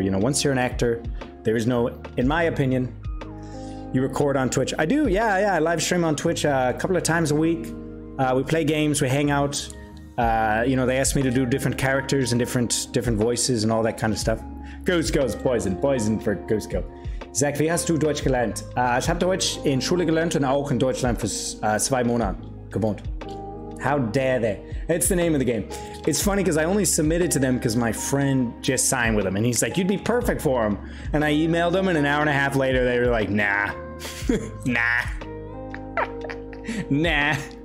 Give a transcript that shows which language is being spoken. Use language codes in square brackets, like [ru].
[en] You know, once you're an actor, there is no, in my opinion, you record on Twitch. I do, yeah. I live stream on Twitch a couple of times a week. We play games, we hang out. You know, they ask me to do different characters and different voices and all that kind of stuff. Goose goes poison for Goose Go. [de] Zach, wie hast du Deutsch gelernt? Ich habe Deutsch in Schule gelernt und auch in Deutschland für 2 Monate gewohnt. [en] How dare they? It's the name of the game. It's funny because I only submitted to them because my friend just signed with them. And he's like, you'd be perfect for them. And I emailed them and an hour and a half later, they were like, nah. Nah. Nah.